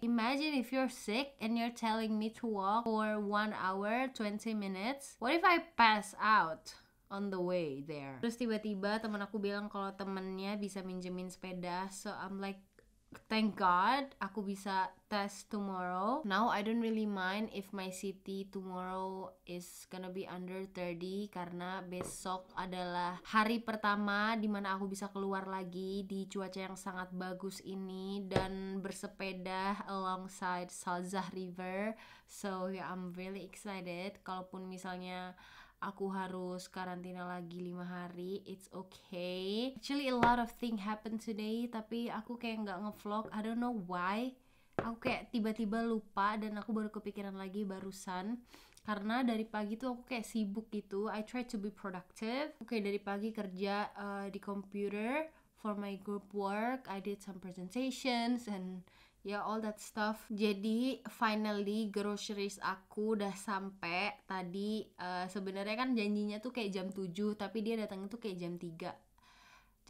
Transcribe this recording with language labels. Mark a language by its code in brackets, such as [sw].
[en] Imagine if you're sick and you're telling me to walk for 1 hour, 20 minutes. What if I pass out on the way there? [id] Terus tiba-tiba teman aku bilang kalau temennya bisa minjemin sepeda. [en] So I'm like, thank God, [id] aku bisa [en] test tomorrow. Now I don't really mind if my CT tomorrow is gonna be under 30, [id] karena besok adalah hari pertama dimana aku bisa keluar lagi di cuaca yang sangat bagus ini dan bersepeda [en] alongside [id] Salzach River. [en] So yeah, I'm really excited. [id] Kalaupun misalnya aku harus karantina lagi 5 hari, [en] it's okay. Actually a lot of thing happened today, [id] tapi aku kayak nggak nge-vlog, [en] I don't know why. [id] Aku kayak tiba-tiba lupa dan aku baru kepikiran lagi barusan. Karena dari pagi tuh aku kayak sibuk gitu, [en] I try to be productive. [id] Oke, dari pagi kerja di [en] computer for my group work, I did some presentations and yeah, all that stuff. [id] Jadi finally groceries aku udah sampai tadi. Sebenarnya kan janjinya tuh kayak jam 7, tapi dia datang tuh kayak jam 3.